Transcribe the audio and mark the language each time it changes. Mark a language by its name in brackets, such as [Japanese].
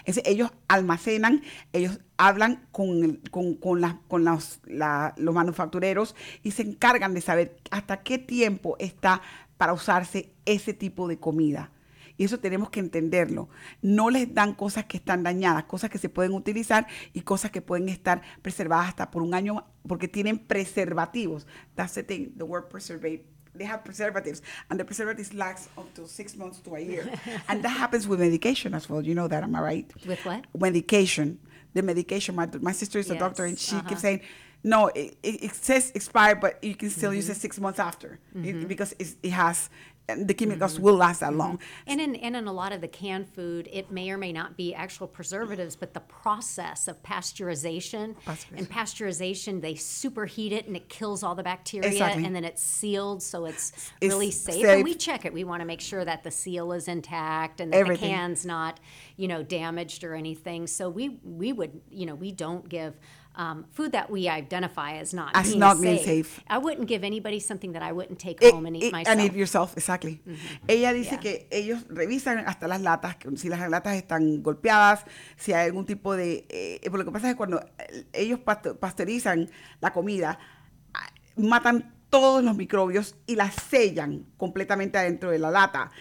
[Spanish] Ellos almacenan, ellos hablan con los manufactureros y se encargan de saber hasta qué tiempo está para usarse ese tipo de comida. Y eso tenemos que entenderlo. No les dan cosas que están dañadas, cosas que se pueden utilizar y cosas que pueden estar preservadas hasta por un año porque tienen preservativos. [English] That's the thing, the word preservative. They have preservatives, and the preservatives last up to 6 months to a year. And that happens with medication as well. You know that, am I right? With what? Medication. The medication. My sister is a doctor, and she uh-huh. keeps saying, no, it says expired, but you can still mm-hmm. use it 6 months after mm-hmm. because it has the chemicals mm-hmm. will last that mm-hmm. long. And in a lot of the canned food, it may or may not be actual preservatives, but the process of pasteurization. Pasteurization. In pasteurization, they superheat it and it kills all the bacteria. Exactly. And then it's sealed so it's really safe. And we check it. We want to make sure that the seal is intact and that everything. The can's not, you know, damaged or anything. So we would, you know, we don't give food that we identify as not as being not safe. I wouldn't give anybody something that I wouldn't take home and eat myself. And eat yourself, exactly. Mm-hmm. [Spanish] Ella dice que ellos revisan hasta las latas, que, si las latas están golpeadas, si hay algún tipo de... Por lo que pasa es que cuando ellos pasteurizan la comida, matan todos los microbios y las sellan completamente adentro de la lata.